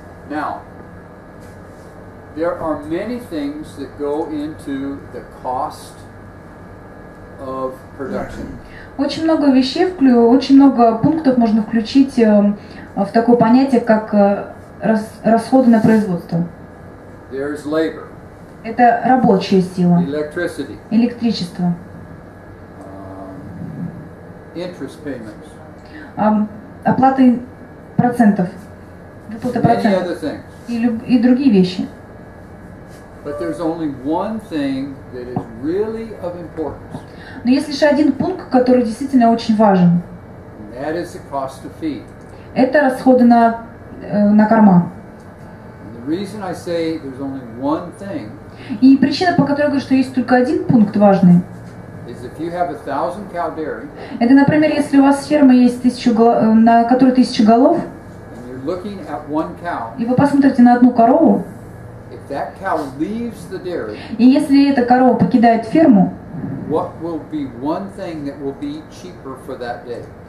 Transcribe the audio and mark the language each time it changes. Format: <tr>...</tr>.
<en>Now, there are many things that go into the cost of production.</en> <ru>Очень много вещей очень много пунктов можно включить в такое понятие, как расходы на производство.</ru> <en>There is labor.</en> <ru>Это рабочая сила.</ru> <en>Electricity.</en> <ru>Электричество.</ru> <en>Interest payments.</en> <ru>Оплаты процентов. Выплата процентов. И другие вещи.</ru> <en>But there's only one thing that is really of importance.</en> <ru>Но есть лишь один пункт, который действительно очень важен.</ru> <en>And that is the cost of feed.</en> <ru>Это расходы на корма.</ru> <en>And the reason I say there's only one thing.</en> <ru>И причина, по которой я говорю, что есть только один пункт важный.</ru> <en>Is if you have 1,000 cow dairy.</en> <ru>Это, например, если у вас ферма есть 1000 на которой 1000 голов.</ru> <en>And you're looking at one cow.</en> <ru>И вы посмотрите на одну корову.</ru> <en>That cow leaves the dairy.</en> <ru>И если эта корова покидает ферму,</ru> <en>what will be one thing that will be cheaper for that day?</en>